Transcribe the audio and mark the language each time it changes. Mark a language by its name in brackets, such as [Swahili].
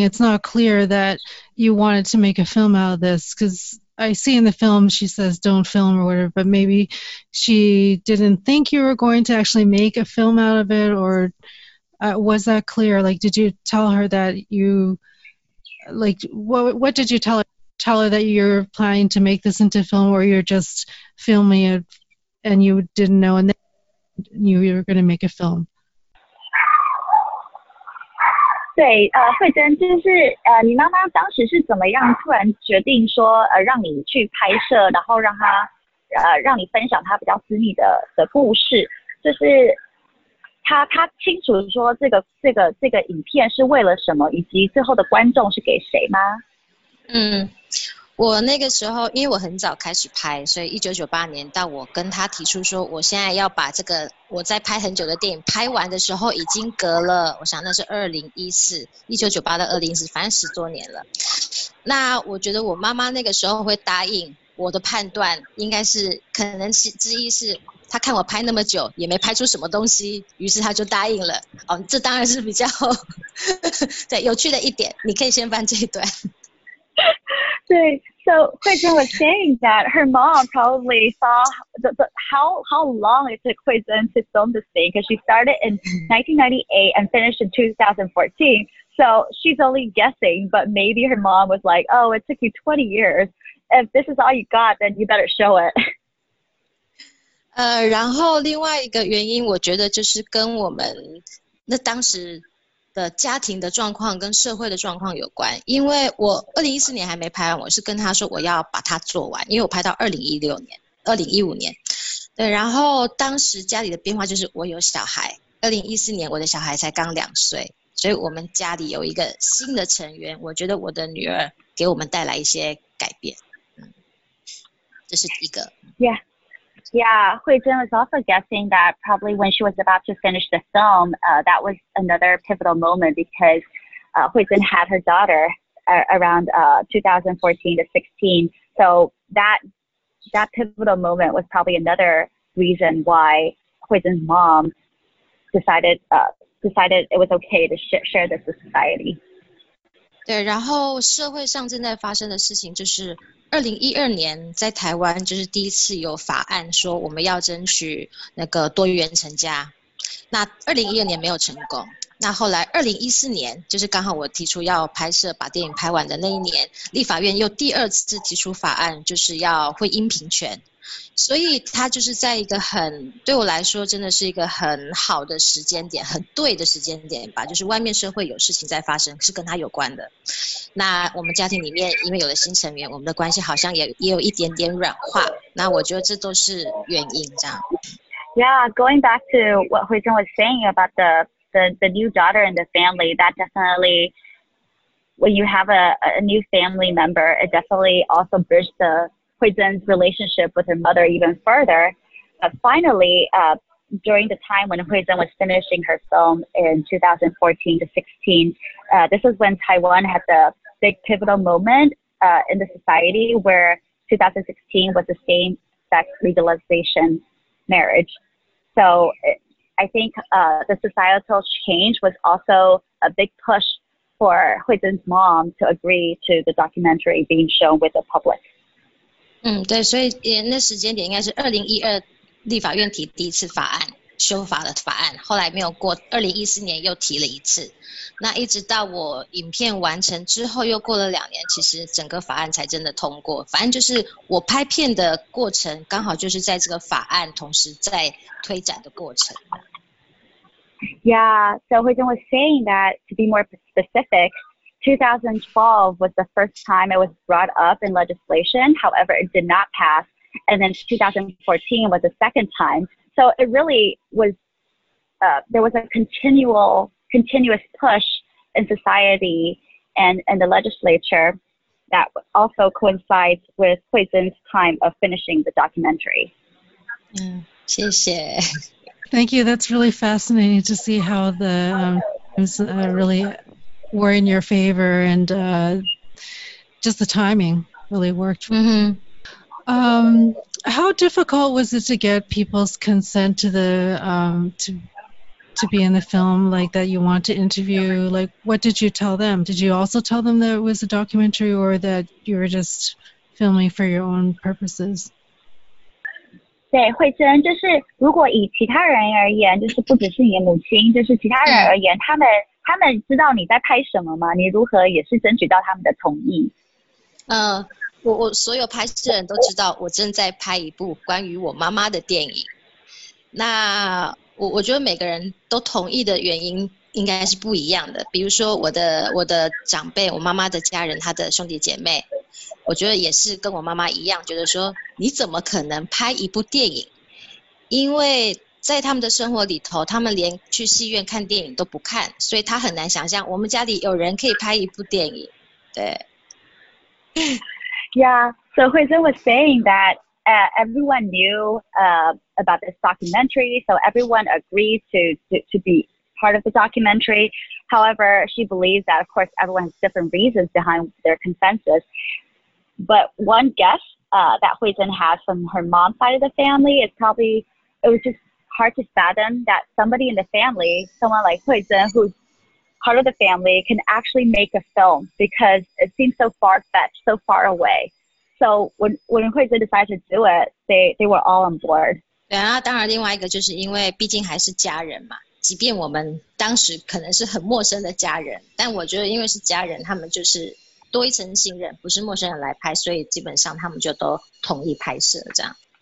[English] It's not clear that you wanted to make a film out of this, because I see in the film she says don't film or whatever, but maybe she didn't think you were going to actually make a film out of it, or was that clear? Like, did you tell her that you, like, what did you tell her? Tell her that you're planning to make this into film, or you're just filming it and you didn't know, and then you were going to make a film? [Chinese] 对，慧珍，就是你妈妈当时是怎么样突然决定说让你去拍摄，然后让她让你分享她比较私密的故事，就是她清楚说这个影片是为了什么，以及最后的观众是给谁吗？嗯，我那个时候因为我很早开始拍，所以1998年到我跟他提出说我现在要把这个我在拍很久的电影拍完的时候，已经隔了，我想那是2014 1998到2014，反正十多年了。那我觉得我妈妈那个时候会答应我的判断，应该是可能是之一是他看我拍那么久也没拍出什么东西，于是他就答应了。哦，这当然是比较呵呵对有趣的一点，你可以先翻这一段。 [English] 对, so Huizhen was saying that her mom probably saw how long it took Huizhen to film this thing, because she started in 1998 and finished in 2014. So she's only guessing, but maybe her mom was like, oh, it took you 20 years. If this is all you got, then you better show it. [Chinese] 然后另外一个原因我觉得就是跟我们那当时的家庭的状况跟社会的状况有关，因为我2014年还没拍完，我是跟他说我要把它做完，因为我拍到2015年，对，然后当时家里的变化就是我有小孩，2014年我的小孩才刚2岁，所以我们家里有一个新的成员，我觉得我的女儿给我们带来一些改变，嗯，这是一个 [English] Yeah, Huizhen was also guessing that probably when she was about to finish the film, that was another pivotal moment, because Huizhen had her daughter around 2014 to 2016. So that pivotal moment was probably another reason why Huizhen's mom decided it was okay to share this with society. [Chinese] 对，然后社会上正在发生的事情就是2012年在台湾就是第一次有法案说我们要争取那个多元成家，那2012年没有成功，那后来2014年就是刚好我提出要拍摄把电影拍完的那一年，立法院又第二次提出法案，就是要婚姻平权，所以它就是在一个很对我来说真的是一个很好的时间点，很对的时间点吧，就是外面社会有事情在发生是跟它有关的，那我们家庭里面因为有了新成员，我们的关系好像也有一点点软化，那我觉得这都是原因这样。 [English] Yeah, going back to what Huizhen was saying about the new daughter in the family, that definitelyWhen you have a new family member, it definitely also bridges the Huizhen's relationship with her mother even further. Finally, during the time when Huizhen was finishing her film in 2014 to 2016, this is when Taiwan had the big pivotal moment in the society where 2016 was the same-sex legalization marriage. So I think the societal change was also a big push for Huizhen's mom to agree to the documentary being shown with the public. [Chinese] 嗯，对，所以那时间点应该是2012立法院提第一次法案，修法的法案，后来没有过，2014年又提了一次，那一直到我影片完成之后又过了2年，其实整个法案才真的通过。反正就是我拍片的过程，刚好就是在这个法案同时在推展的过程。 [English] Yeah, so Huizhen was saying that, to be more specific, 2012 was the first time it was brought up in legislation, however, it did not pass, and then 2014 was the second time. So it really was, there was a continuous push in society and in the legislature that also coincides with Huizhen's time of finishing the documentary. [Chinese] 嗯，谢谢。 [English] Thank you. That's really fascinating to see how the times really were in your favor and just the timing. really worked. Mm-hmm. How difficult was it to get people's consent to the to be in the film, like that you want to interview? Like, what did you tell them? Did you also tell them that it was a documentary or that you were just filming for your own purposes? [Chinese] 对，慧珍，就是如果以其他人而言，就是不只是你的母亲，就是其他人而言，他们知道你在拍什么吗？你如何也是争取到他们的同意？我所有拍摄人都知道我正在拍一部关于我妈妈的电影。那我觉得每个人都同意的原因应该是不一样的。比如说我的长辈，我妈妈的家人，她的兄弟姐妹，我觉得也是跟我妈妈一样，觉得说你怎么可能拍一部电影？因为在他们的生活里头，他们连去戏院看电影都不看，所以他很难想象我们家里有人可以拍一部电影。对。 [English] Yeah, so Huizhen was saying that everyone knew about this documentary, so everyone agreed to be part of the documentary. However, she believes that, of course, everyone has different reasons behind their consensus. But one guess that Huizhen has from her mom's side of the family is probably, it was just hard to fathom that somebody in the family, someone like Huizhen, who's part of the family, can actually make a film because it seems so far-fetched, so far away. So when Huizhen decided to do it, they were all on board. [Chinese] 对啊，当然另外一个就是因为毕竟还是家人嘛，即便我们当时可能是很陌生的家人，但我觉得因为是家人，他们就是多一层信任，不是陌生人来拍，所以基本上他们就都同意拍摄这样。